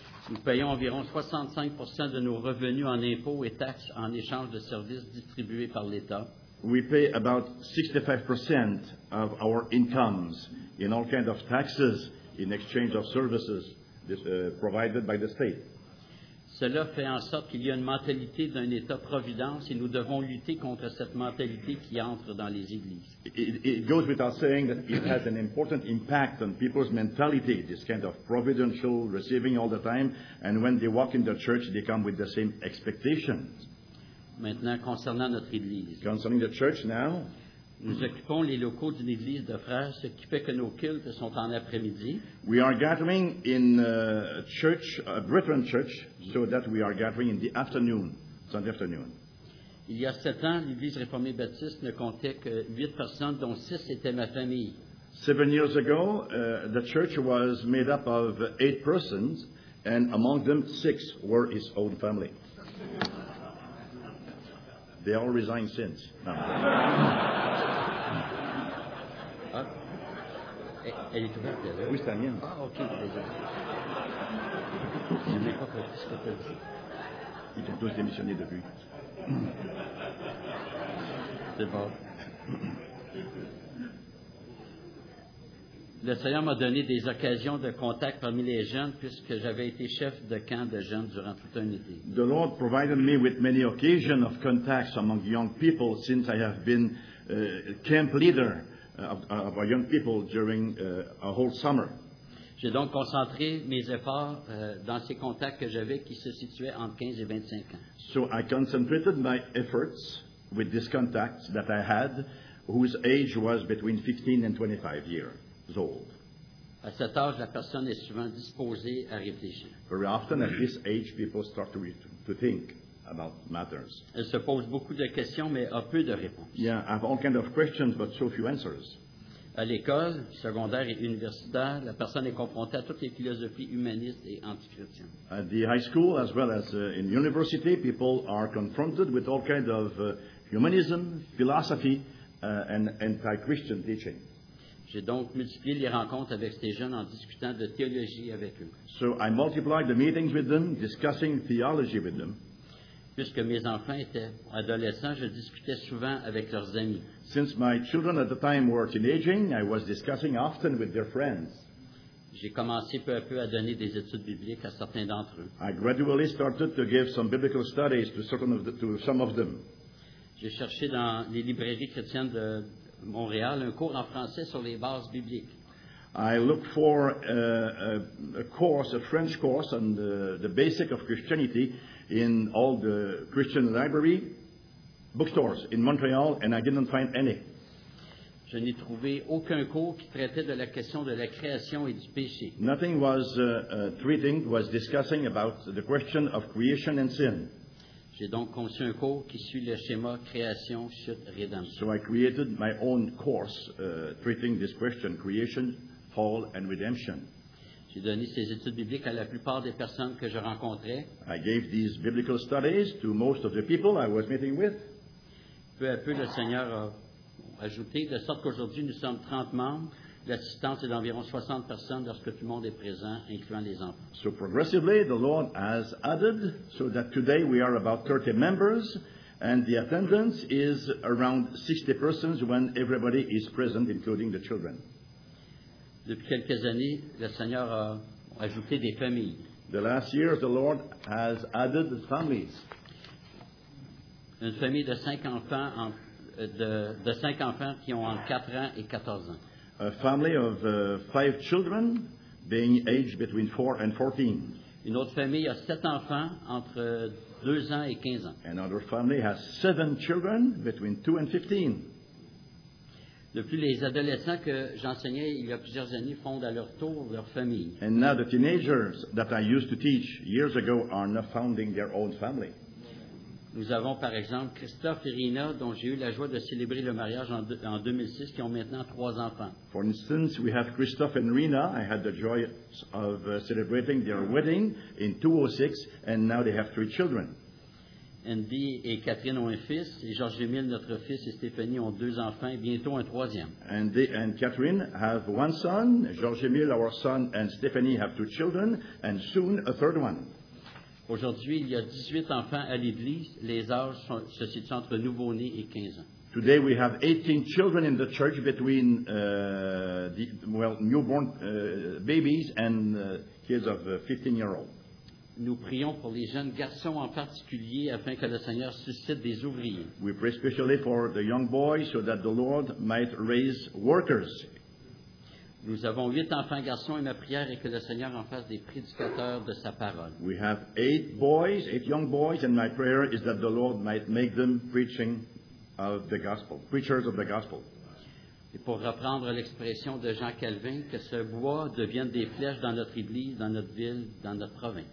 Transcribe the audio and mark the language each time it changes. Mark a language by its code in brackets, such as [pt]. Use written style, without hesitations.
[fr] Nous payons environ 65% de nos revenus en impôts et taxes en échange de services distribués par l'État. [en] We pay about 65% of our incomes in all kinds of taxes in exchange of services provided by the state. [fr] Cela fait en sorte qu'il y a une mentalité d'un État providence et nous devons lutter contre cette mentalité qui entre dans les églises. [en] It goes without saying that it has an important impact on people's mentality, this kind of providential receiving all the time, and when they walk in the church, they come with the same expectations. [fr] Maintenant, concernant notre église. [en] Concerning the church now. [fr] Nous occupons les locaux d'une église de frères, ce qui fait que nos cultes sont en après-midi. [en] We are gathering in a church, a Brethren church, so that we are gathering in the afternoon, Sunday afternoon. [fr] Il y a 7 ans, l'église réformée baptiste ne comptait que 8 personnes, dont 6 étaient ma famille. [en] 7 years ago, the church was made up of 8 persons, and among them, 6 were his own family. They all resigned since. No. [fr] Elle est ouverte, elle? Oui, c'est la mienne. Ah, OK, déjà. Je n'ai pas compris ce que tu as dit. Ils ont tous démissionné depuis. C'est bon. Le Seigneur m'a donné des occasions de contact parmi les jeunes puisque j'avais été chef de camp de jeunes durant toute une été. [en] The Lord provided me with many occasions of contacts among young people since I have been camp leader of our young people during a whole summer. [fr] J'ai donc concentré mes efforts dans ces contacts que j'avais qui se situaient entre 15 et 25 ans. [en] So I concentrated my efforts with these contacts that I had whose age was between 15 and 25 years. [fr] À cet âge, la personne est souvent disposée à réfléchir. [en] Very often at this age, people start to think about matters. [fr] Elle se pose beaucoup de questions, mais a peu de réponses. [en] Yeah, I have all kinds of questions, but so few answers. [fr] À l'école, secondaire et universitaire, la personne est confrontée à toutes les philosophies humanistes et antichrétiennes. [en] At the high school, as well as in university, people are confronted with all kinds of humanism, philosophy, and anti-Christian teaching. [fr] J'ai donc multiplié les rencontres avec ces jeunes en discutant de théologie avec eux. [en] So I multiplied the meetings with them, discussing theology with them. [fr] Puisque mes enfants étaient adolescents, je discutais souvent avec leurs amis. [en] Since my children at the time were teenaging, I was discussing often with their friends. [fr] J'ai commencé peu à peu à donner des études bibliques à certains d'entre eux. [en] I gradually started to give some biblical studies to some of them. [fr] J'ai cherché dans les librairies chrétiennes de Montréal, un cours en français sur les bases bibliques. [en] I looked for a course, a French course on the basic of Christianity in all the Christian library bookstores in Montreal and I didn't find any. [fr] Je n'ai trouvé aucun cours qui traitait de la question de la création et du péché. [en] Nothing was treating, was discussing about the question of creation and sin. [fr] J'ai donc conçu un cours qui suit le schéma création, chute, rédemption. [en] So I created my own course treating this question, creation, fall, and redemption. [fr] J'ai donné ces études bibliques à la plupart des personnes que je rencontrais. [en] I gave these biblical studies to most of the people I was meeting with. [fr] Peu à peu, le Seigneur a ajouté, de sorte qu'aujourd'hui, nous sommes 30 membres. L'assistance est d'environ 60 personnes lorsque tout le monde est présent, incluant les enfants. [en] So progressively, the Lord has added so that today we are about 30 members and the attendance is around 60 persons when everybody is present, including the children. [fr] Depuis quelques années, le Seigneur a ajouté des familles. [en] The last year, the Lord has added families. [fr] Une famille de 5 enfants, de 5 enfants qui ont entre 4 ans et 14 ans. [en] A family of 5 children, being aged between 4 and 14. [fr] Une autre famille a 7 enfants entre 2 ans et 15 ans. [en] Another family has 7 children between 2 and 15. [fr] Depuis les adolescents que j'enseignais il y a plusieurs années fondent à leur tour leur famille. [en] And now the teenagers that I used to teach years ago are now founding their own family. [fr] Nous avons par exemple Christophe et Rina, dont j'ai eu la joie de célébrer le mariage en 2006, qui ont maintenant 3 enfants. [en] For instance, we have Christophe and Rina. I had the joy of celebrating their wedding in 2006, and now they have 3 children. [fr] Andy et Catherine ont un fils, et Georges-Émile, notre fils, et Stéphanie ont 2 enfants, et bientôt un troisième. [en] Andy and Catherine have 1 son, Georges-Émile, our son, and Stéphanie have 2 children, and soon a third one. [fr] Aujourd'hui, il y a 18 enfants à l'église. Les âges se situent entre nouveau-né et 15 ans. [en] Today we have 18 children in the church between newborn babies and kids of 15 years old. [fr] Nous prions pour les jeunes garçons en particulier afin que le Seigneur suscite des ouvriers. [en] We pray specially for the young boys so that the Lord might raise workers. [fr] Nous avons 8 enfants garçons et ma prière est que le Seigneur en fasse des prédicateurs de sa parole. [en] We have 8 boys, 8 young boys, and my prayer is that the Lord might make them preaching of the gospel, preachers of the gospel. [fr] Et pour reprendre l'expression de Jean Calvin, que ce bois devienne des flèches dans notre église, dans notre ville, dans notre province.